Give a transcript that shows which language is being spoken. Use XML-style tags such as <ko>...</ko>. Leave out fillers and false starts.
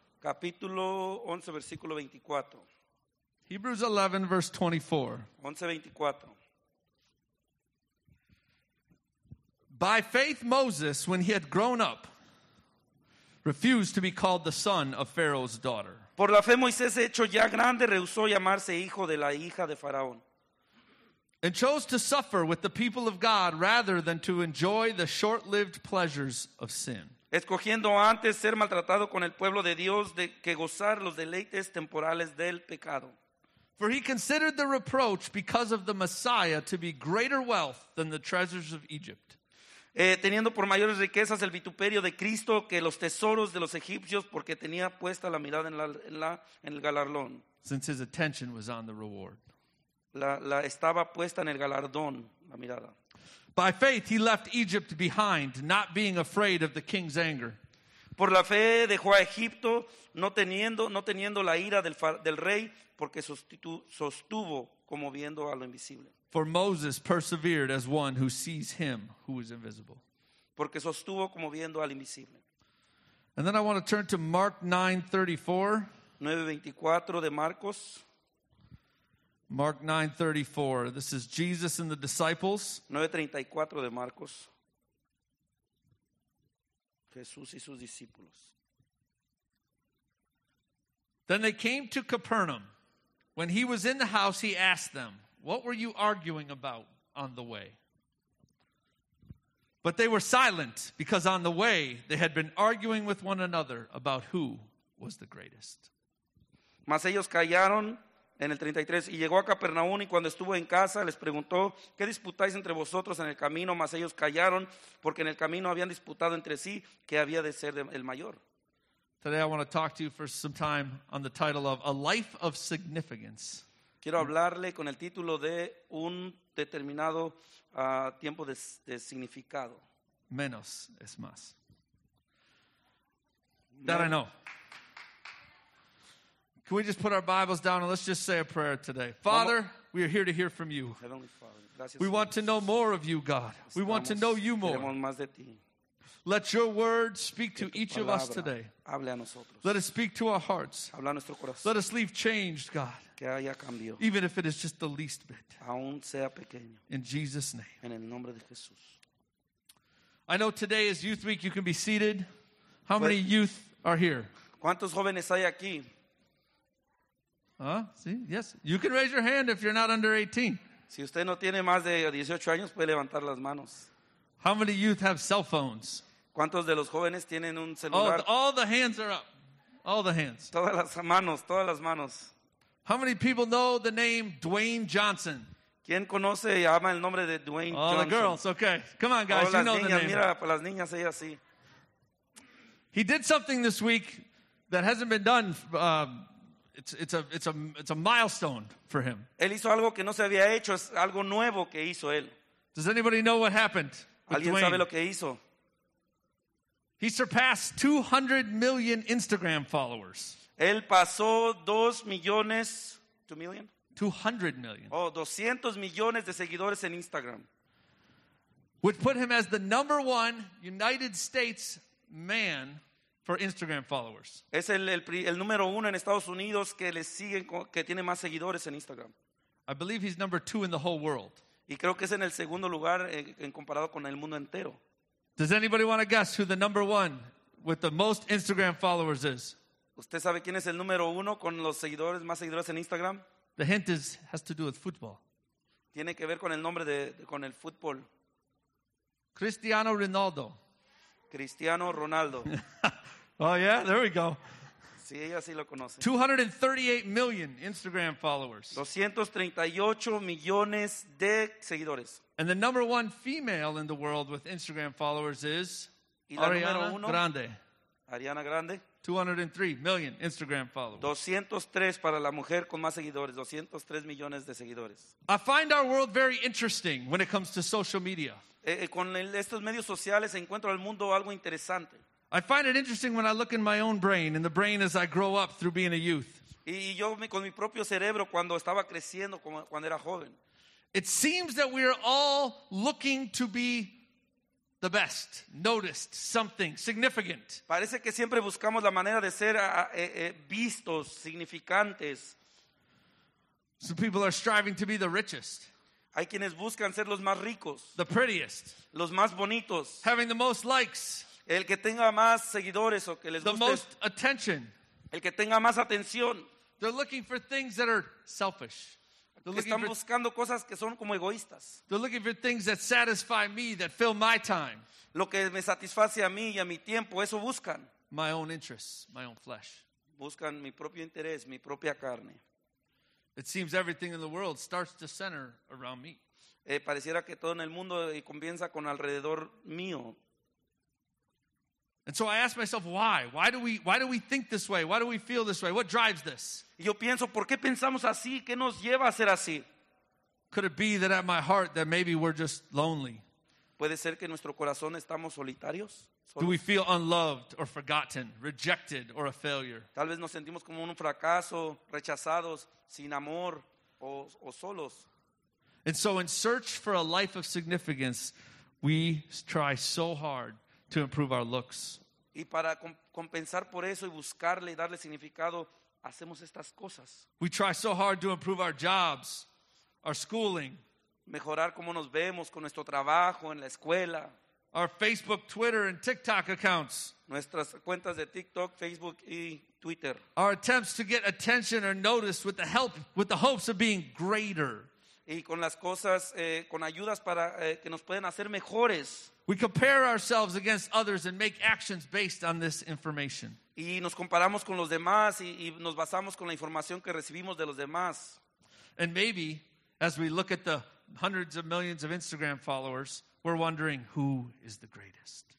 <es>Capítulo 11, versículo 24.</es> <en>Hebrews 11, verse 24. 11:24. By faith Moses, when he had grown up, refused to be called the son of Pharaoh's daughter.</en> <es>Por la fe Moisés, hecho ya grande, rehusó llamarse hijo de la hija de Faraón.</es> <en>And chose to suffer with the people of God rather than to enjoy the short-lived pleasures of sin.</en> <es>Escogiendo antes ser maltratado con el pueblo de Dios de que gozar los deleites temporales del pecado.</es> <en>For he considered the reproach because of the Messiah to be greater wealth than the treasures of Egypt.</en> <es>Teniendo por mayores riquezas el vituperio de Cristo que los tesoros de los egipcios, porque tenía puesta la mirada en el galardón.</es> <en>Since his attention was on the reward.</en> <es>La estaba puesta en el galardón, la mirada.</es> <en>By faith he left Egypt behind, not being afraid of the king's anger.</en> <es>Por la fe dejó a Egipto, no teniendo la ira del rey, porque sostuvo como viendo a lo invisible.</es> <en>For Moses persevered as one who sees him who is invisible.</en> <es>Porque sostuvo como viendo al invisible.</es> <en>And then I want to turn to Mark 9:34.</en> <es>9:24 de Marcos.</es> <en>Mark 9:34. This is Jesus and the disciples.</en> <es>9:34 de Marcos. Jesús y sus discípulos.</es> <en>Then they came to Capernaum. When he was in the house, he asked them, "What were you arguing about on the way?" But they were silent, because on the way they had been arguing with one another about who was the greatest.</en> <es>Mas ellos callaron en el 33, y llegó a Capernaum, y cuando estuvo en casa les preguntó, "¿Qué disputáis entre vosotros en el camino?" Mas ellos callaron, porque en el camino habían disputado entre sí que había de ser el mayor.</es> <en>Today I want to talk to you for some time on the title of A Life of Significance.</en> <es>Quiero hablarle con el título de un determinado tiempo de significado. Menos es más.</es> <en>That I know. Can we just put our Bibles down and let's just say a prayer today. Father, we are here to hear from you. Heavenly Father, gracias. We want to know more of you, God. We want to know you more.</en> <es>Queremos más de ti.</es> <en>Let your word speak to each of us today.</en> <es>Hable a nosotros.</es> <en>Let it speak to our hearts.</en> <es>Habla a nuestro corazón.</es> <en>Let us leave changed, God.</en> <es>Que haya cambio.</es> <en>Even if it is just the least bit.</en> <es>Aún sea pequeño.</es> <en>In Jesus' name.</en> <es>En el nombre de Jesús.</es> <en>I know today is Youth Week. You can be seated. How many youth are here?</en> <es>¿Cuántos jóvenes hay aquí?</es> <en>Huh? See? Yes. You can raise your hand if you're not under 18.</en> <es>Si usted no tiene más de 18 años, puede levantar las manos.</es> <en>How many youth have cell phones?</en> <es>¿Cuántos de los jóvenes tienen un celular?</es> <en>All the hands are up. All the hands.</en> <es>Todas las manos, todas las manos.</es> <en>How many people know the name Dwayne Johnson?</en> <es>¿Quién conoce y ama el nombre de Dwayne Johnson?</es> <en>All the girls, okay. Come on, guys, you know the name.</en> <es>Mira, para las niñas, ellas sí.</es> <en>He did something this week that hasn't been done. It's a milestone for him.</en> <es>Él hizo algo que no se había hecho. Es algo nuevo que hizo él.</es> <en>Does anybody know what happened?</en> <es>¿Alguien sabe lo que hizo?</es> <en>He surpassed 200 million Instagram followers.</en> <es>Él pasó 2 millones,</es> <en>2 million? 200 million.</en> <es>Oh, 200 millones de seguidores en Instagram.</es> <en>Which put him as the number one United States man for Instagram followers.</en> <es>Es el número uno en Estados Unidos que le siguen, que tiene más seguidores en Instagram.</es> <en>I believe he's number two in the whole world.</en> <es>Y creo que es en el segundo lugar en comparado con el mundo entero.</es> <en>Does anybody want to guess who the number one with the most Instagram followers is?</en> <es>¿Usted sabe quién es el número uno con los seguidores, más seguidores en Instagram?</es> <en>The hint is, has to do with football.</en> <es>Tiene que ver con el nombre de con el fútbol.</es> <en>Cristiano Ronaldo.</en> <es>Cristiano Ronaldo.</es> <en>Oh yeah, there we go.</en> <es>Sí, ella sí lo conoce.</es> <en>238 million Instagram followers.</en> <es>238 millones de seguidores.</es> <en>And the number one female in the world with Instagram followers is Ariana Grande.</en> <es>Ariana Grande.</es> <en>203 million Instagram followers.</en> <es>203 para la mujer con más seguidores, 203 millones de seguidores.</es> <en>I find our world very interesting when it comes to social media.</en> <es>Con estos medios sociales encuentro al mundo algo interesante.</es> <en>I find it interesting when I look in my own brain and the brain as I grow up through being a youth.</en> <es>Y yo con mi propio cerebro cuando estaba creciendo, cuando era joven.</es> <en>It seems that we are all looking to be the best, noticed, something significant.</en> <es>Parece que siempre buscamos la manera de ser vistos, significantes.</es> <en>Some people are striving to be the richest.</en> <es>Hay quienes buscan ser los más ricos.</es> <en>The prettiest.</en> <es>Los más bonitos.</es> <en>Having the most likes.</en> <es>El que tenga más seguidores o que les guste.</es> <en>The most attention.</en> <es>El que tenga más atención.</es> <en>They're looking for things that are selfish.</en> <es>Están buscando cosas que son como egoístas.</es> <en>They're looking for things that satisfy me, that fill my time.</en> <es>Lo que me satisface a mí y a mi tiempo, eso buscan.</es> <en>My own interests, my own flesh.</en> <es>Buscan mi propio interés, mi propia carne.</es> <en>It seems everything in the world starts to center around me.</en> <es>Pareciera que todo en el mundo comienza con alrededor mío.</es> <en>And so I ask myself, why? Why do we think this way? Why do we feel this way? What drives this?</en> <es>Yo pienso, ¿por qué pensamos así? ¿Qué nos lleva a ser así?</es> <en>Could it be that at my heart that maybe we're just lonely?</en> <es>¿Puede ser que en nuestro corazón estamos solitarios?</es> <en>Do we feel unloved or forgotten, rejected or a failure?</en> <es>Tal vez nos sentimos como un fracaso, rechazados, sin amor o solos.</es> <en>And so in search for a life of significance, we try so hard to improve our looks.</en> <es>Y para compensar por eso y buscarle y darle significado, hacemos estas cosas.</es> <en>We try so hard to improve our jobs, our schooling.</en> <es>Mejorar cómo nos vemos con nuestro trabajo en la escuela.</es> <en>Our Facebook, Twitter, and TikTok accounts.</en> <es>Nuestras cuentas de TikTok, Facebook y Twitter.</es> <en>Our attempts to get attention or notice with the hopes of being greater.</en> <es>Y con las cosas, con ayudas para que nos pueden hacer mejores.</es> <en>We compare ourselves against others and make actions based on this information.</en> <es>Y nos comparamos con los demás y nos basamos con la información que recibimos de los demás.</es> <en>And maybe, as we look at the hundreds of millions of Instagram followers, we're wondering who is the greatest.</en>